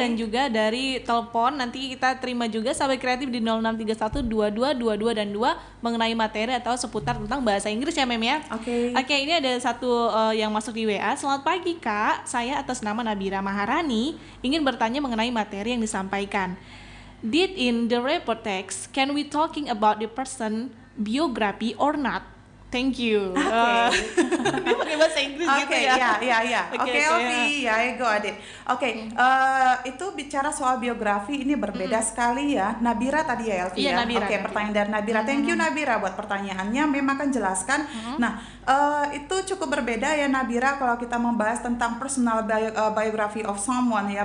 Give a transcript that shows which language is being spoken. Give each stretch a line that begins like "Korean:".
Indonesian: Dan juga dari telepon, nanti kita terima juga sahabat kreatif di 0631 22 22 dan 2 mengenai materi atau seputar tentang bahasa Inggris ya Mem ya. Oke, ini ada satu yang masuk di WA. Selamat pagi Kak, saya atas nama Nabira Maharani ingin bertanya mengenai materi yang disampaikan.
English: Did in the report text, can we talking about the person biography or not? Thank you. Okay.
Indonesian: Dia pakai bahasa Inggris okay, gitu ya.
English: Okay. Yeah, I got it. Okay.
Indonesian: Itu bicara soal biografi ini berbeda sekali ya. Nabira tadi ya, Elvi.
English: Yeah, Nabira.
Indonesian: Okay, pertanyaan dari Nabira. Thank you Nabira buat pertanyaannya. Memang kan jelaskan. Nah, itu cukup berbeda ya Nabira kalau kita membahas tentang personal biography of someone ya.